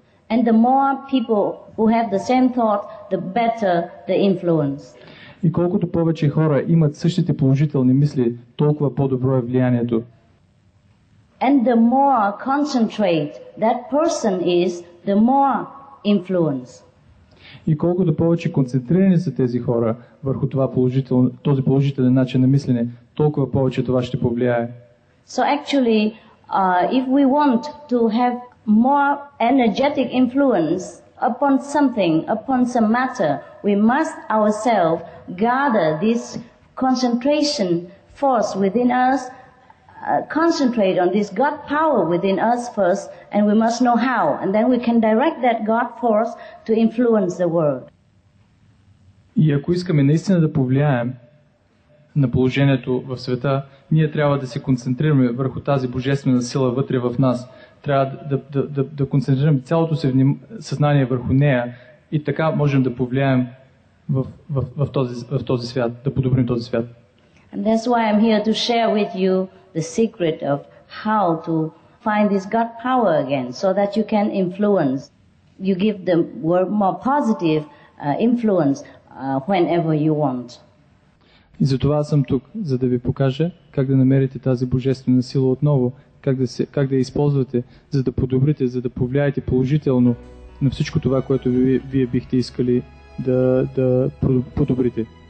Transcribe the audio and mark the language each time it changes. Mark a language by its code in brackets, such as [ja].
[en] And the more people who have the same thought, the better the influence. [bg] И колкото повече хора имат същите положителни мисли, толкова по-добро е влиянието. [en] And the more concentrated that person is, the more influence. [bg] И колкото повече концентрирани са тези хора върху това положително, този положителен начин на мислене, толкова повече това ще повлияе. [en] So actually, if we want to have more energetic influence upon something, upon some matter, we must ourselves gather this concentration force within us, concentrate on this God power within us first, and we must know how, and then we can direct that God force to influence the world. [bg] И ако искаме наистина да повлияем на положението в света, ние трябва да се концентрираме върху тази божествена сила вътре в нас. Трябва да концентрираме цялото си съзнание върху нея и така можем да повлияем в този свят, да подобрим този свят. [en] And that's why I'm here to share with you the secret of how to find this God power again, so that you can influence, you give the world more positive influence whenever you want. [bg] И затова съм тук, за да ви покажа как да намерите тази божествена сила отново, как да я използвате, за да подобрите, за да повлияете положително на всичко това, което вие бихте искали да подобрите.